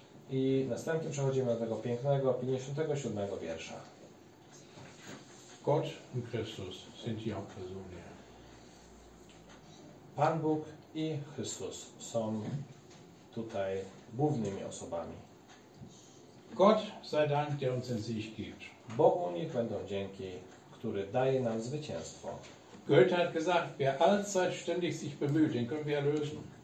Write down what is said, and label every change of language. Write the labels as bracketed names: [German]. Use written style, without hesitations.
[Polish] I następnie przechodzimy do tego pięknego 57 wiersza. [German] Gott und Christus sind die Hauptpersonen. [Polish] Pan Bóg i Chrystus są tutaj głównymi osobami. [German] Gott sei Dank, der uns den Sieg gibt. [Polish] Bogu niech będą dzięki, który daje nam zwycięstwo. [German] Goethe hat gesagt, wer allzeit ständig sich bemüht, den können wir erlösen.